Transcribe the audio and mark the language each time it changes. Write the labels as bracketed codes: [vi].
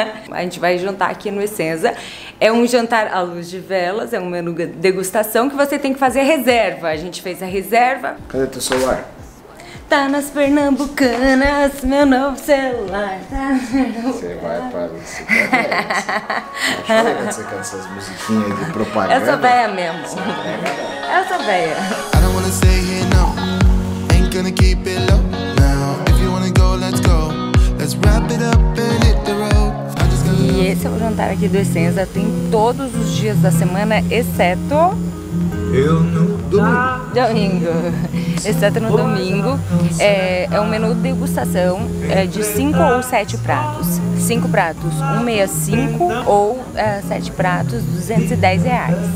[pt] A gente vai jantar aqui no Essenza. É um jantar à luz de velas, é um menu degustação que você tem que fazer a reserva. A gente fez a reserva. Cadê teu celular? Tá nas pernambucanas, meu novo celular. Tá nas pernambucanas. Você vai para isso. Chega de você cantar essas musiquinhas de propaganda. Eu sou véia mesmo. Eu sou véia. [en] I don't wanna stay here, no. Ain't gonna keep it low. Now, if you wanna go, let's go. Let's wrap it up and hit the road. [pt] E esse é o jantar aqui do Essenza. Tem todos os dias da semana, exceto. Eu não domingo. Exceto no domingo. É um menu degustação de 5 ou 7 pratos. 5 pratos, 165 ou 7 pratos, R$210.